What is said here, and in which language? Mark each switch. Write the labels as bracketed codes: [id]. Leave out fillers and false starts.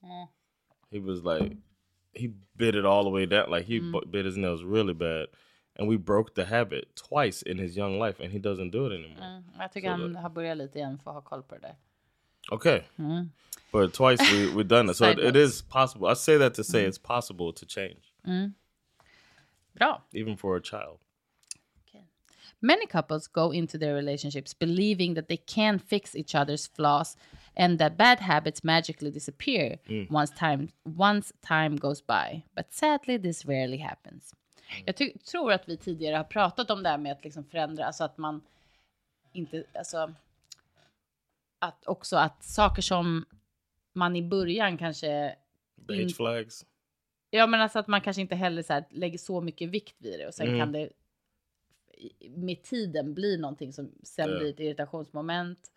[en] Yeah. He was like, he bit it all the way down. Like, he bit his nails really bad. And we broke the habit twice in his young life, and he doesn't do it anymore. Mm. [sv] Jag tycker so han that, har börjat lite igen för att ha koll på det. [en] Okay. Mm. But twice we've done it. So it is possible. I say that to say it's possible to change. [sv] Mm. Bra. [en] Even for a child. Okay. Many couples go into their relationships believing that they can fix each other's flaws and that bad habits magically disappear once time goes by. But sadly, this rarely happens. Mm. [sv] Jag tror att vi tidigare har pratat om det här med att liksom förändra, alltså att man inte, alltså att också att saker som man i början kanske [en] beige flags. [sv] Ja, men alltså att man kanske inte heller så här lägger så mycket vikt vid det, och sen kan det med tiden bli någonting som sen blir ett irritationsmoment.